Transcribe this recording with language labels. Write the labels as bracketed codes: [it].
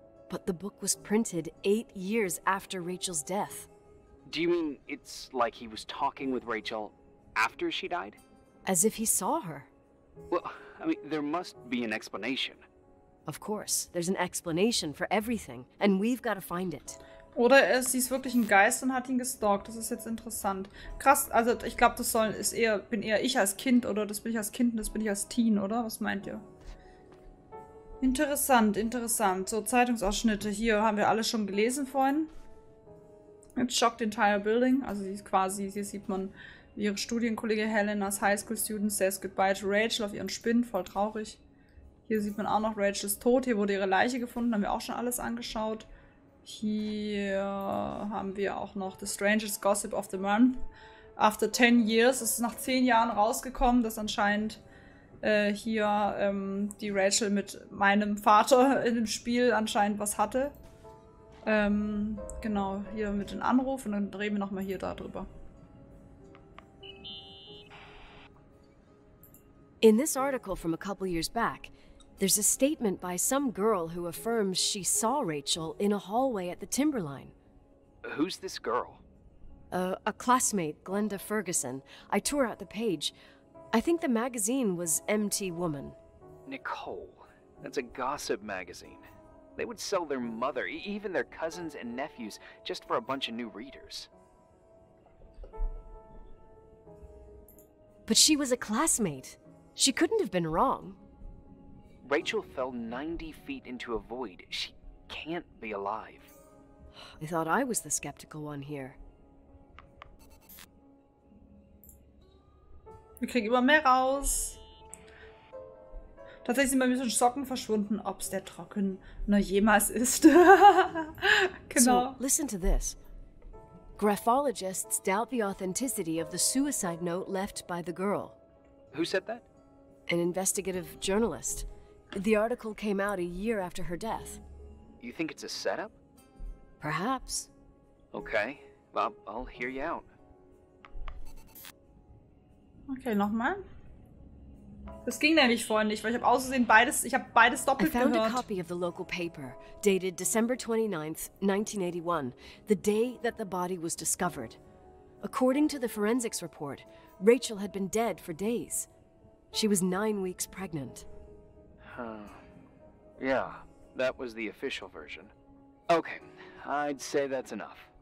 [en] But the book was printed 8 years after Rachel's death. Do you mean it's like he was talking with Rachel after she died? As if he saw her. Well, I mean, there must be an explanation. Of course. There's an explanation for everything. And we've got to find it. [de] Oder sie ist wirklich ein Geist und hat ihn gestalkt. Das ist jetzt interessant. Krass, also ich glaube, das soll, ist eher, bin eher ich als Kind, oder? Das bin ich als Kind und das bin ich als Teen, oder? Was meint ihr? Interessant, interessant. So, Zeitungsausschnitte. Hier haben wir alles schon gelesen vorhin. [en] It shocked the entire building. [de] Also sie ist quasi, hier sieht man ihre Studienkollege [en] Helena's Highschool Student says goodbye to Rachel [de] auf ihren Spinn, voll traurig. Hier sieht man auch noch Rachels Tod. Hier wurde ihre Leiche gefunden, haben wir auch schon alles angeschaut. Hier haben wir auch noch [en] The Strangest Gossip of the Month. After 10 years, [de] es ist nach 10 Jahren rausgekommen, dass anscheinend hier die Rachel mit meinem Vater in dem Spiel anscheinend was hatte. Genau, hier mit dem Anruf und dann drehen wir nochmal hier darüber. [en] In this article from a couple years back, there's a statement by some girl who affirms she saw Rachel in a hallway at the Timberline. Who's this girl? A classmate, Glenda Ferguson. I tore out the page. I think the magazine was MT Woman. Nicole, that's a gossip magazine. They would sell their mother, even their cousins and nephews, just for a bunch of new readers. But she was a classmate. She couldn't have been wrong. Rachel fell 90 feet into a void. She can't be alive. I thought I was the skeptical one here. [de] Wir kriegen immer mehr raus. Tatsächlich sind bei mir schon Socken verschwunden, ob es der Trocken nur jemals ist. Genau. [en] So, listen to this. Graphologists doubt the authenticity of the suicide note left by the girl. Who said that? An investigative journalist. The article came out a year after her death. You think it's a setup? Perhaps. Okay, well, I'll hear you out. [de] Okay, nochmal. Das ging nämlich vorhin nicht, weil ich habe außersehen beides, ich habe beides doppelt gehört. [en] I found a copy of the local paper, dated December 29th, 1981, the day that the body was discovered. According to the forensics report, Rachel had been dead for days. She was 9 weeks pregnant. Yeah, that was the official version. Okay, I'd say that's enough.